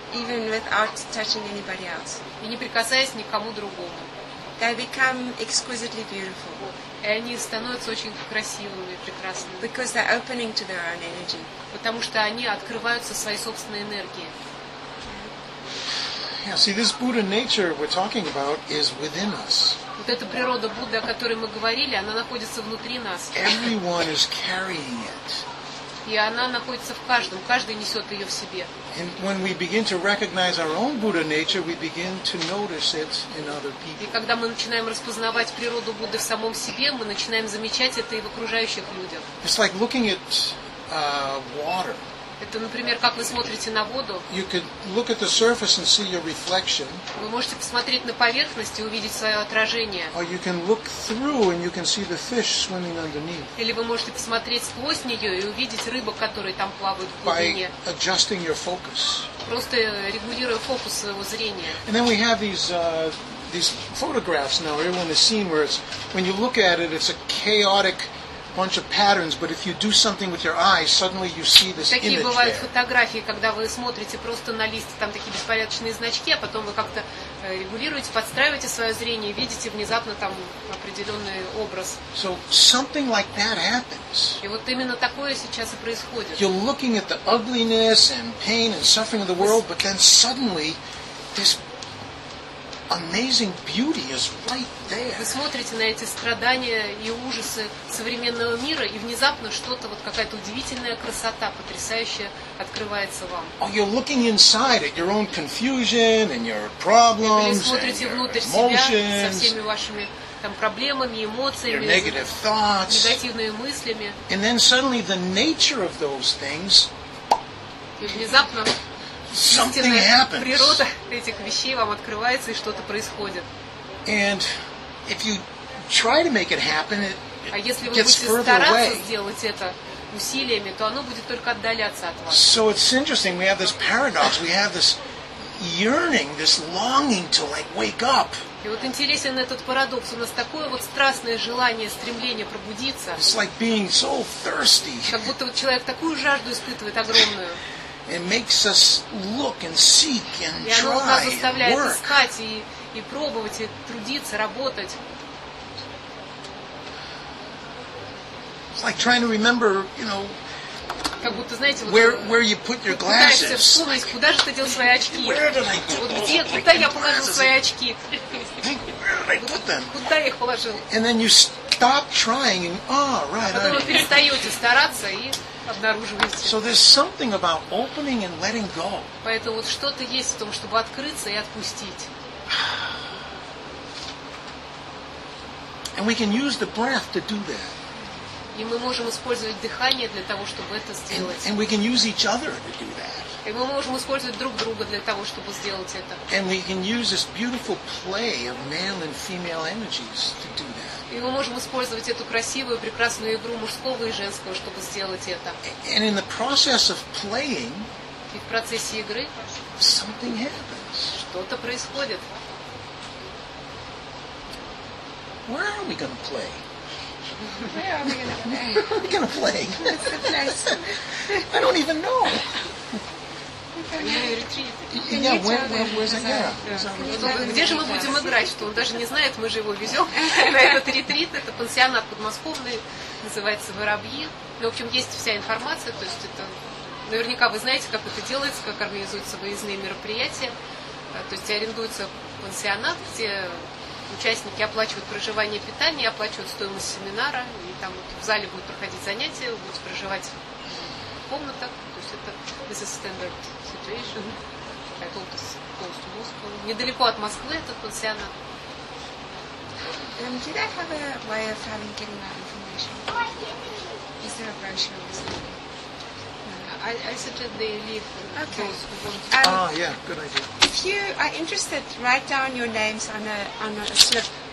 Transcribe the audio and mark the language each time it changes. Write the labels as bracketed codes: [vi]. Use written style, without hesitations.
[en] Even without touching anybody else. [ru] И не прикасаясь никому другому. [en] They become exquisitely beautiful. [ru] И они становятся очень красивыми и прекрасными. [en] Because they're opening to their own energy. [ru] Потому что они открываются своей собственной энергии. [en] Yeah, see, this Buddha nature we're talking about is within us. [ru] Вот эта природа Будды, о которой мы говорили, она находится внутри нас. [en] Everyone is carrying it. [ru] И она находится в каждом, каждый несет ее в себе. [en] And when we begin to recognize our own Buddha nature, we begin to notice it in other people. [ru] И когда мы начинаем распознавать природу Будды в самом себе, мы начинаем замечать это и в окружающих людях. [en] It's like looking at water. [ru] Это, например, как вы смотрите на воду. [en] You could look at the surface and see your reflection. [ru] Вы можете посмотреть на поверхность и увидеть свое отражение. [en] Or you can look through and you can see the fish swimming underneath. [ru] Или вы можете посмотреть сквозь нее и увидеть рыбок, которые там плавают в глубине. [en] By adjusting your focus. [ru] Просто регулируя фокус своего зрения. [en] And then we have these photographs now. Everyone has seen where it's when you look at it, it's a chaotic bunch of patterns, but if you do something with your eyes, suddenly you see this image. [ru] Такие бывают фотографии, когда вы смотрите просто на листы, там такие беспорядочные значки, а потом вы как-то регулируете, подстраиваете свое зрение, видите внезапно там определенный образ. [en] So something like that happens. [ru] И вот именно такое сейчас и происходит. [en] You're looking at the ugliness and pain and suffering of the world, but then suddenly this amazing beauty is right there. [ru] Вы смотрите на эти страдания и ужасы современного мира, и внезапно что-то, вот какая-то удивительная красота, потрясающая, открывается вам. [en] Oh, you're looking inside at your own confusion and your problems. [ru] Вы смотрите [en] and [ru] внутрь [en] your emotions. [ru] Себя со всеми вашими там, проблемами, эмоциями, негативными мыслями. [en] And then suddenly the nature of those things, [ru] и внезапно [en] something happens. [ru] Природа этих вещей вам открывается, и что-то происходит. [en] And if you try to make it happen, it gets further away. [ru] А если вы будете стараться сделать это усилиями, то оно будет только отдаляться от вас. [en] So it's interesting. We have this paradox. We have this yearning, this longing to like wake up. [ru] И вот интересен этот парадокс. У нас такое вот страстное желание, стремление пробудиться. [en] It's like being so thirsty. [ru] Как будто вот человек такую жажду испытывает огромную. [en] It makes us look and seek and try. [ru] И оно вот нас заставляет искать и пробовать, и трудиться, работать. [en] Like trying to remember, you know, [ru] как будто, знаете, вот [en] where you put your glasses. [ru] Ты пытаешься вспомнить, куда же ты дел свои очки? [en] Where did I put them? [ru] Вот где, куда я положил свои очки? [en] Where did I put them? [ru] Куда я их положил? [en] And then you stop trying, and right. [ru] А потом вы перестаете стараться и обнаруживаете. [en] So there's something about opening and letting go. [ru] Поэтому вот что-то есть в том, чтобы открыться и отпустить. [en] And we can use the breath to do that. [ru] И мы можем использовать дыхание для того, чтобы это сделать. [en] And we can use each other to do that. [ru] И мы можем использовать друг друга для того, чтобы сделать это. [en] And we can use this beautiful play of male and female energies to do that. [ru] И мы можем использовать эту красивую, прекрасную игру мужского и женского, чтобы сделать это. [en] And in the process of playing, [ru] и в процессе игры, [en] something happens. [ru] Что-то происходит. [en] Where are we going to play? Where are we going to play? I don't even know. Retreat. Yeah, where's that? [ru] Где же мы будем играть? Что он даже не знает, мы же его везем на этот ретрит. Это пансионат подмосковный, называется «Воробьи». В общем, есть вся информация. То есть это наверняка вы знаете, как это делается, как организуются выездные мероприятия. То есть арендуется пансионат, где участники оплачивают проживание и питание, оплачивают стоимость семинара, и там вот в зале будут проходить занятия, будут проживать в комнатах. То есть это [en] this is standard situation. I told this close to Moscow. [ru] Недалеко от Москвы этот пансионат. [en] Do they have a way of having getting that information? Is there a brochure or something? I suggest they leave those who want to. Yeah, good idea. If you are interested, write down your names on a slip.